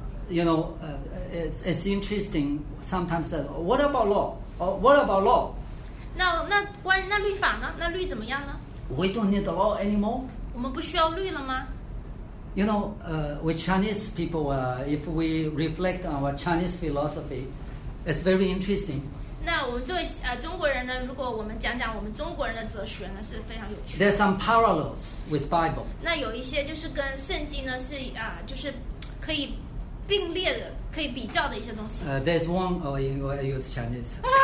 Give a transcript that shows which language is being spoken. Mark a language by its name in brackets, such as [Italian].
[English] You know, it's interesting sometimes that what about law? What about law? [Chinese] 那律法呢？那律怎么样呢？ [English] We don't need the law anymore. [Chinese] 我们不需要律了吗？ [English] You know, we Chinese people, if we reflect on our Chinese philosophy, it's very interesting. [Chinese] 那我们作为中国人呢，如果我们讲讲我们中国人的哲学呢，是非常有趣的。 [English] There's some parallels with Bible. [Chinese] 那有一些就是跟圣经呢是就是可以并列的，可以比较的一些东西。 [English] There's one, or in what I use Chinese.